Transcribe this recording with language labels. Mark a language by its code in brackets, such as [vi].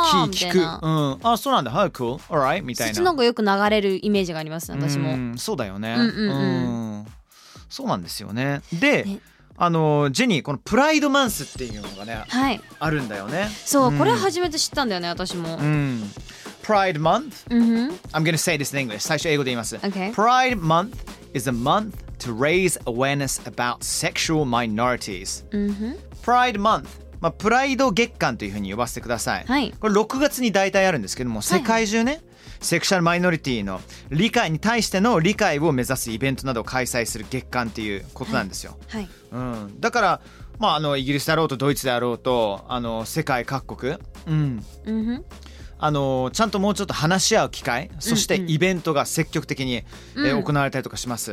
[ja] 聞く、うん、あ、そうなんだ、 [en] How cool, alright [ja] みたいな。そっちの方がよく流れるイメージがあります、ね、私も。うん、そうだよね、うんうんうん。そうなんですよね。で、ジェニー、このプライドマンスっていうのがね、はい、あるんだよね。そう、うん、これ初めて知ったんだよね、私も。 [en] うん、Pride month、 [ja] うん。 [en] I'm gonna say this in English. [ja] 最初英語で言います。 [en] Okay. Pride month is a month to raise awareness about sexual minorities.、 [ja] うん、 [en] Pride month。 [ja] まあ、プライド月間というふうに呼ばせてください、はい、これ6月に大体あるんですけども、世界中ね、はい、セクシャルマイノリティの理解に対しての理解を目指すイベントなどを開催する月間っていうことなんですよ、はいはい、うん、だから、まあ、イギリスだろうとドイツであろうと世界各国、うん、ちゃんともうちょっと話し合う機会、そしてイベントが積極的に、うんうん、行われたりとかします、